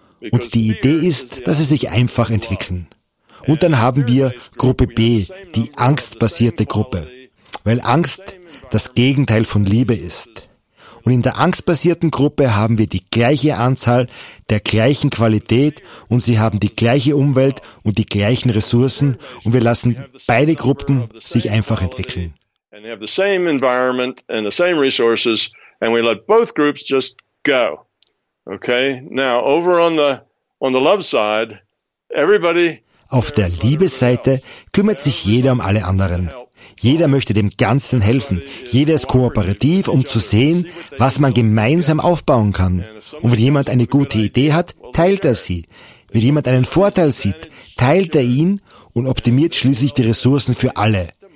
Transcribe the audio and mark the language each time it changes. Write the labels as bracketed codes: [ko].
[de] Und die Idee ist, dass sie sich einfach entwickeln. Und dann haben wir Gruppe B, die angstbasierte Gruppe, weil Angst das Gegenteil von Liebe ist. Und in der angstbasierten Gruppe haben wir die gleiche Anzahl der gleichen Qualität und sie haben die gleiche Umwelt und die gleichen Ressourcen und wir lassen beide Gruppen sich einfach entwickeln. [en] And they have the same environment and the same resources and we let both groups just go. Okay? Now over on the love side, everybody [de] auf der Liebesseite kümmert sich jeder um alle anderen. Jeder möchte dem Ganzen helfen. Jeder ist kooperativ, um zu sehen, was man gemeinsam aufbauen kann. Und wenn jemand eine gute Idee hat, teilt er sie. Wenn jemand einen Vorteil sieht, teilt er ihn und optimiert schließlich die Ressourcen für alle.